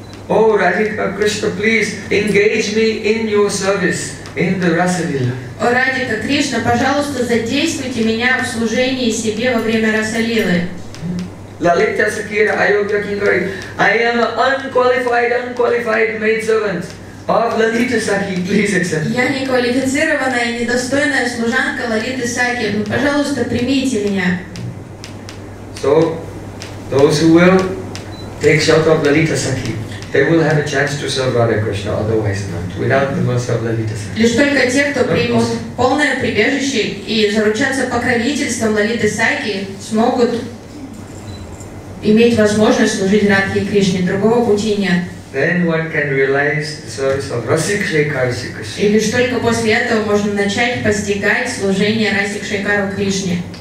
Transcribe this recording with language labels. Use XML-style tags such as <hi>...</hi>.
<en>Please engage me in your service in the Rasalila.</en> <ru>О Радхи Кришна, пожалуйста, задействуйте меня в служении себе во время Расалилы.</ru> <bn>Lalita Sakira Ayogya Kingari.</bn> <en>I am an unqualified maidservant of Lalita Sakhi. Please accept.</en> <ru>Я неквалифицированная и недостойная служанка Лалиты Сакхи. Пожалуйста, примите меня.</ru> <en>So, those who will take shelter of Lalita Sakhi, they will have a chance to serve Radha Krishna, otherwise not, without the mercy of Lalita Sakhi.</en> <ru>Лишь только те, кто примут полное прибежище и заручатся покровительством Лалиты Сакхи, смогут иметь возможность служить Радхе и Кришне, другого пути нет.</ru> <en>Then one can realize the service of Раси Кшейкару Си Кришне.</en> <ru>И лишь только после этого можно начать постигать служение Раси Кшейкару Кришне.</ru>